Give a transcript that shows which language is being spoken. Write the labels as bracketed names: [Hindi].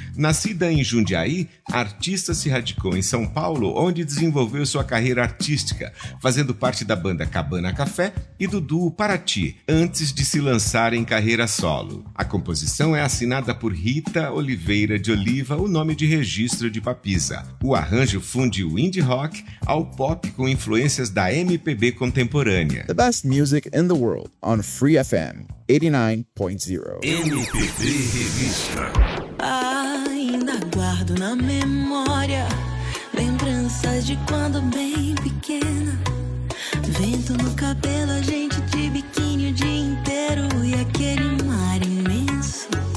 [Portuguese] Nascida em Jundiaí, a artista se radicou em São Paulo, onde desenvolveu sua carreira artística, fazendo parte da banda Cabana Café e do duo Paraty, antes de se lançar em carreira solo. A composição é assinada por Rita Oliveira de Oliva, o nome de registro de Papisa. O arranjo funde o indie rock ao pop com influências da MPB contemporânea. [English] The best music in the world on Free FM 89.0. [Portuguese] MPB Revista. Ainda guardo na memória desde quando bem pequena. Vento no cabelo, a gente de biquíni o dia inteiro e aquele mar imenso.